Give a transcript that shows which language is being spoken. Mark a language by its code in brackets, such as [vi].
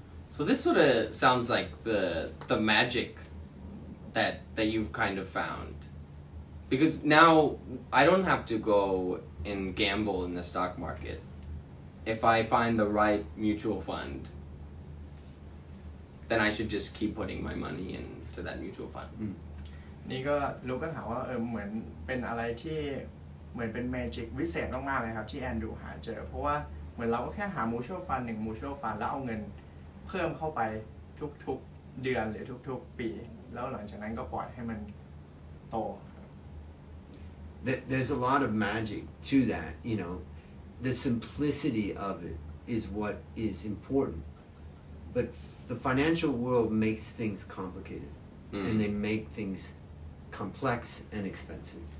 [en] So this sort of sounds like the magic that you've kind of found. Because now I don't have to go and gamble in the stock market if I find the right mutual fund. Then I should just keep putting my money into that mutual fund. [th] นี่ก็ลูกก็ถามว่าเหมือนเป็นอะไรที่เหมือนเป็นแมจิกวิเศษมากๆเลยครับที่แอนดูหาเจอเพราะว่าเหมือนเราก็แค่หามูชัลฟันหนึ่งมูชัลฟันแล้วเอาเงินเพิ่มเข้าไปทุกๆเดือนหรือทุกๆปีแล้วหลังจากนั้นก็ปล่อยให้มันโต [en] There's a lot of magic to that, you know. The simplicity of it is what is important. But the financial world makes things complicated, and they make things complex and expensive.